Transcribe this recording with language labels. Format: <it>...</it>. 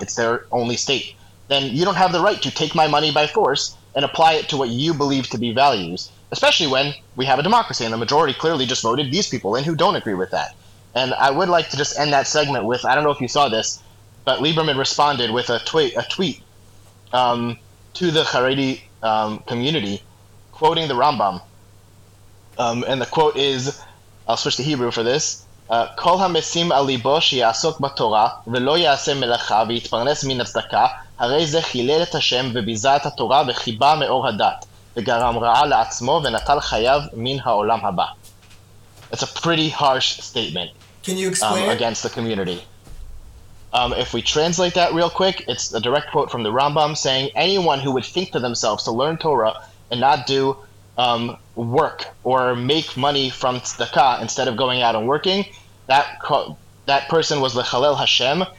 <en>It's their only state. Then you don't have the right to take my money by force and apply it to what you believe to be values, especially when we have a democracy and the majority clearly just voted these people in who don't agree with that. And I would like to just end that segment with, I don't know if you saw this, but Lieberman responded with a tweet to the Haredi community, quoting the Rambam. And the quote is, I'll switch to Hebrew for this,</en> <he>כל המשים על ליבו שיעסוק בתורה ולא יעשה מלאכה ויתפרנס מן הצדקה, הרי זה חילל את השם וביזה את התורה וחיבה מאור הדת וגרם רעה לעצמו ונטל חייו מן העולם הבא.</he> <en>It's a pretty harsh statement. Can you explain against the community? If we translate that real quick, it's a direct quote from the Rambam saying, anyone who would think to themselves to learn Torah and not do work or make money from tzedakah instead of going out and working, that person was lechalel Hashem.</en>